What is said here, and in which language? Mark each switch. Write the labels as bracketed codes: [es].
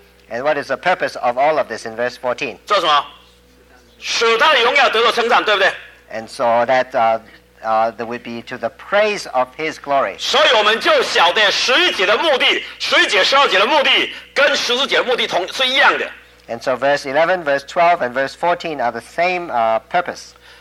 [en] And what is the purpose of all of this in verse 14? [zh] 做什么?使他的荣耀得到称赞, [en] and so that that would be to the praise of his glory. [zh] 所以我们就晓得十一节的目的跟十四节的目的是一样的。 [en] And so verse 11, verse 12, and verse 14 are the same purpose.